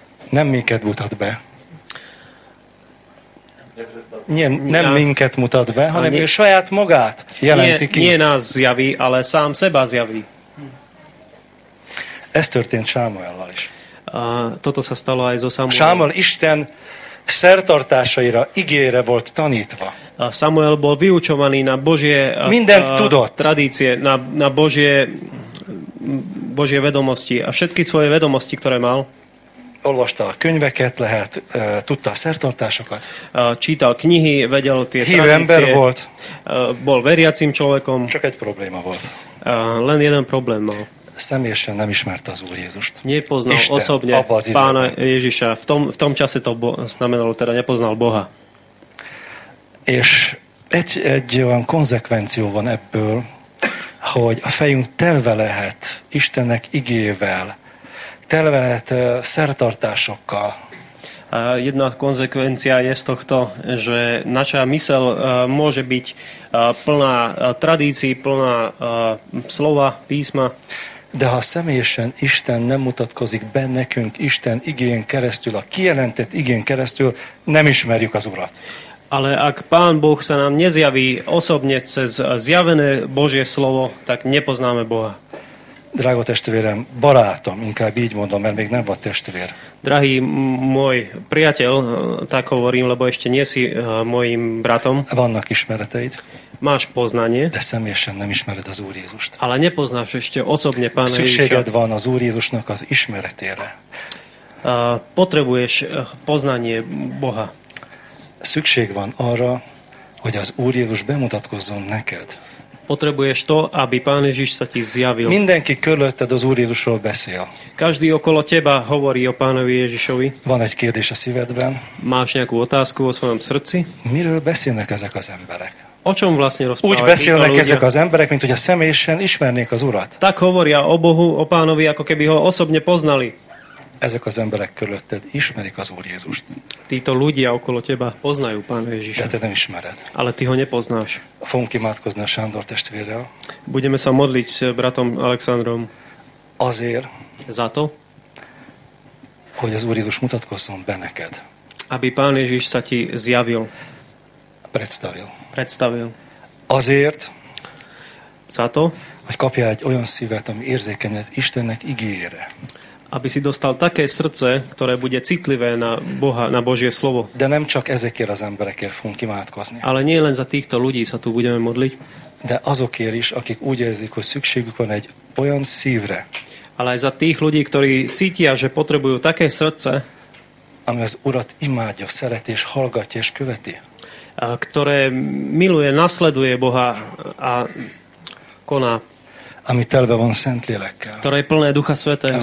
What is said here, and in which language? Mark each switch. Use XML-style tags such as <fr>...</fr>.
<hu>Nem minket mutat be. Nem minket mutat be, hanem ő saját magát jelenti ki.</hu> <sk>Nie nás zjaví, ale sám seba zjaví.</sk> <hu>Ez történt Sámuellal is.</hu> <sk>Toto sa stalo aj so Sámuellal.</sk> <hu>Sámuel Isten szertartásaira, igére volt tanítva.</hu> <sk>Samuel bol vyučovaný na Božie tradície, na Božie vedomosti a všetky svoje vedomosti, ktoré mal.</sk> <hu>Olvasta a könyveket, lehet, tudta a szertartásokat.</hu> <sk>Čítal knihy, vedel tie</sk> <hu>tradície. Hívő ember volt.</hu> <sk>Bol veriacím človekom.</sk> <hu>Csak egy probléma volt.</hu> <sk>Len jeden problém mal.</sk> <hu>Személyesen nem ismerte az Úr Jézust.</hu> <sk>Nepoznal Isten, osobne Pána Ježiša. V tom čase to znamenalo, teda nepoznal Boha.</sk> <hu>És egy olyan konzekvenció van ebből, hogy a fejünk telve lehet Istennek igével, telve lehet szertartásokkal.</hu> <sk>Jedna konzekvencia je z tohto, že naša mysel môže byť plná tradícií, plná slova, písma.</sk> <hu>De ha személyesen Isten nem mutatkozik be nekünk Isten igén keresztül, a kijelentett igén keresztül, nem ismerjük az Urat.</hu> <sk>Ale ak Pán Boh sa nám nezjaví osobne cez zjavené Božie slovo, tak nepoznáme Boha.</sk> <hu>Drágo testvérem, barátom, inkább így mondom, mert még nem vagy testvér.</hu> <sk>Drahý môj priateľ, tak hovorím, lebo ešte nie si môjim bratom.</sk> <hu>Vannak ismereteid.</hu> <sk>Máš poznanie.</sk> <hu>De személyesen nem ismered az Úr Jézust.</hu> <sk>Ale nepoznáš ešte osobne Pána Ježiša.</sk> <hu>Szükséged van az Úr Jézusnak az ismeretére.</hu> <sk>Potrebuješ poznanie Boha.</sk> <hu>Szükség van arra, hogy az Úr Jézus bemutatkozzon neked.</hu> <sk>Potrebuješ to, aby Pán Ježiš sa ti zjavil.</sk> <hu>Mindenki körülötted az Úr Jézusról beszél.</hu> <sk>Každý okolo teba hovorí o Pánovi Ježišovi.</sk> <hu>Van egy kérdés a szívedben.</hu> <sk>Máš nejakú otázku vo svojom srdci?</sk> <hu>Miről beszélnek ezek az emberek?</hu> <sk>O čom vlastne rozprávajú?</sk> <hu>Úgy beszélnek ezek az emberek, mint hogy személyesen ismernék az Urat.</hu> <sk>Tak hovoria o Bohu, o Pánovi, ako keby ho osobne poznali.</sk> <hu>Ezek az emberek körülötted ismerik az Úr Jézust.</hu> <sk>Títo ľudia okolo teba poznajú Pána Ježiša.</sk> <hu>De te nem ismered.</hu> <sk>Ale ty ho nepoznáš.</sk> <hu>Fogunk imádkozni a Sándor testvérrel.</hu> <sk>Budeme sa modliť s bratom Alexandrom.</sk> <hu>Azért.</hu> <sk>Za to.</sk> <hu>Hogy az Úr Jézus mutatkozzon be neked.</hu> <sk>Aby Pán Ježiš sa ti zjavil. Predstavil.</sk> <hu>Azért.</hu> <sk>Za to.</sk> <hu>Hogy kapja egy olyan szívet, ami érzékenyed Istennek igényére.</hu> <sk>Aby si dostal také srdce, ktoré bude citlivé na Boha, na Božie slovo.</sk> <hu>De nem csak ezekért az emberekért fogunk imádkozni.</hu> <sk>Ale nie len za týchto ľudí sa tu budeme modliť.</sk> <hu>De azokért is, akik úgy érzik, hogy szükségük van egy olyan szívre.</hu> <sk>Ale aj za tých ľudí, ktorí cítia, že potrebujú také srdce,</sk> <hu>ami az Urat imádja, szereti és hallgatja és követi.</hu> <sk>ktoré miluje, nasleduje Boha a koná.</sk> <hu>Ami telve van Szentlélekkel.</hu> <sk>Ktoré je plné Ducha Svätého.</sk>